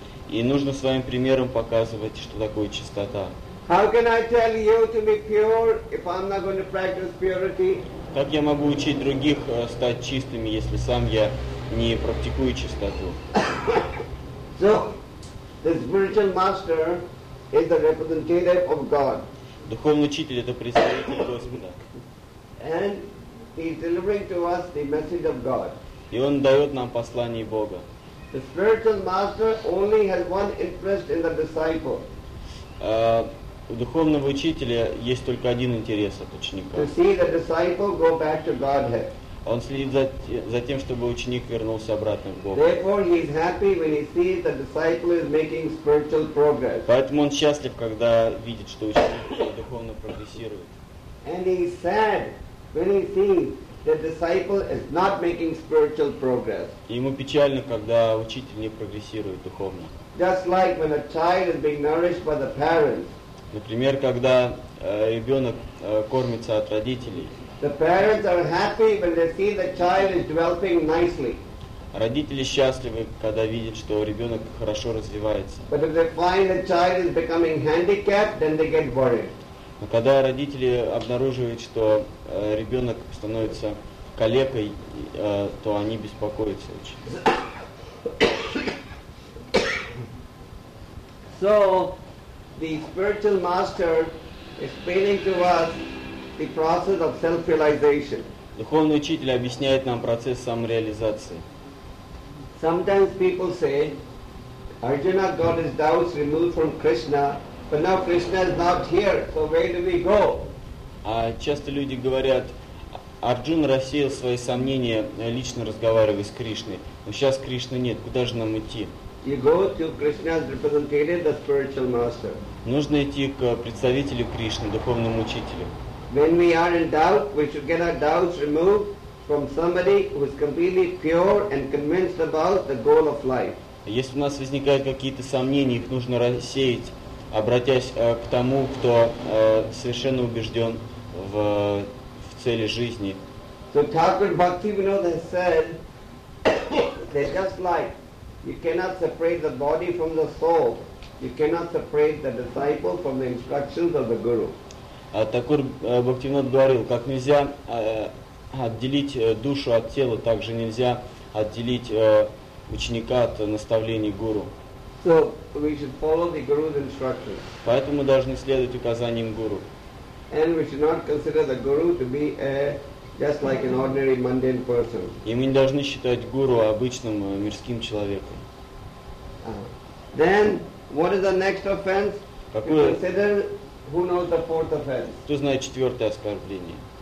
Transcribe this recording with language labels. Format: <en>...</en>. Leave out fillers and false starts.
<ru>И нужно своим примером показывать, что такое чистота.</ru> <en>How can I tell you to be pure if I'm not going to practice purity?</en> <ru>Как я могу учить других стать чистыми, если сам я не практикую чистоту?</ru> <en>So, the spiritual master is the representative of God.</en> <ru>Духовный учитель — это представитель Господа.</ru> <en>And he's delivering to us the message of God.</en> <ru>И он дает нам послание Бога.</ru> <en>The spiritual master only has one interest in the disciple.</en> <ru>У духовного учителя есть только один интерес от ученика.</ru> <en>To see the disciple go back to Godhead.</en> <ru>Он следит за тем, чтобы ученик вернулся обратно к Богу.</ru> <en>Therefore, he is happy when he sees the disciple is making spiritual progress.</en> <ru>Поэтому он счастлив, когда видит, что ученик духовно прогрессирует.</ru> <en>And he is sad when he sees the disciple is not making spiritual progress.</en> <ru>Ему печально, когда учитель не прогрессирует духовно.</ru> <en>Just like when a child is being nourished by the parents.</en> <ru>Например, когда ребенок кормится от родителей.</ru> <en>The parents are happy when they see the child is developing nicely.</en> <ru>Родители счастливы, когда видят, что ребенок хорошо развивается.</ru> <en>But if they find the child is becoming handicapped, then they get worried.</en> <ru>Но когда родители обнаруживают, что ребенок становится калекой, то они беспокоятся очень.</ru> <en>So, the spiritual master is explaining to us the process of self-realization.</en> <ru>Духовный учитель объясняет нам процесс самореализации.</ru> <en>Sometimes people say, Arjuna got his doubts removed from Krishna, but now Krishna is not here, so where do we go?</en> <ru>Часто люди говорят, Арджуна рассеял свои сомнения, лично разговаривая с Кришной, но сейчас Кришны нет, куда же нам идти?</ru> <en>You go to Krishna's representative, the spiritual master.</en> <ru>Нужно идти к представителю Кришны, духовному учителю.</ru> <en>When we are in doubt, we should get our doubts removed from somebody who is completely pure and convinced about the goal of life.</en> <ru>Если у нас возникают какие-то сомнения, их нужно рассеять, обратясь к тому, кто совершенно убежден в цели жизни.</ru> <en>So Thakur Bhaktivinoda has said that just like you cannot separate the body from the soul, you cannot separate the disciple from the instructions of the guru.</en> <ru>Такур Бхактивинод говорил, как нельзя отделить душу от тела, так же нельзя отделить ученика от наставлений гуру.</ru> <en>So we should follow the guru's instructions.</en> <ru>Поэтому мы должны следовать указаниям гуру.</ru> <en>And we should not consider the guru to be just like an ordinary mundane person.</en> <ru>И мы не должны считать гуру обычным мирским человеком.</ru> <en>Then what is the next offense?</en> <ru>Какое?</ru> <en>To consider who knows the fourth offense?</en> <ru>Кто знает четвертое оскорбление?</ru>